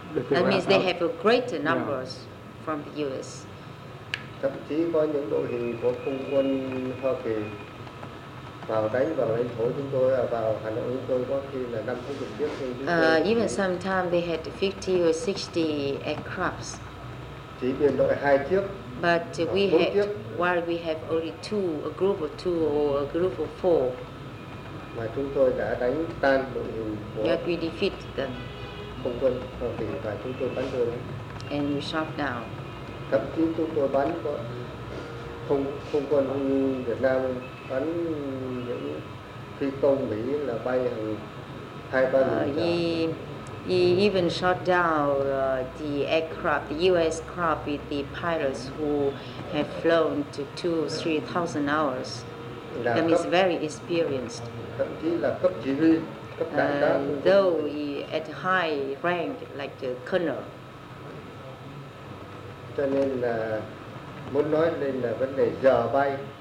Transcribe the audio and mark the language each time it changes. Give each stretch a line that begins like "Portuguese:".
English: That means they have a greater numbers from the U.S.
Vietnamese: Thậm chí có những đội hình của không quân Hoa Kỳ vào đánh vào lãnh thổ chúng tôi, vào Hà Nội chúng tôi có khi là năm không được biết.
English: Even sometimes they had 50 or 60 aircrafts.
Vietnamese: Chỉ biên đội hai chiếc.
English: But we had, while we have only two, a group of two or a group of four.
Vietnamese: Mà chúng tôi đã đánh tan đội hình của.
English: Yet we defeat them.
Vietnamese: Không quân Hoa Kỳ và chúng tôi bắn rơi.
English: And we shot down.
Vietnamese: Thậm chí chúng tôi bắn có không quân Việt Nam bắn những phi công Mỹ là bay hàng hai ba lần.
English: He even shot down the aircraft, the U.S. craft, with the pilots who had flown to 2,000 or 3,000 hours. That means very experienced. Though he at high rank, like the colonel.
Vietnamese: Cho nên là muốn nói lên là vấn đề giờ bay.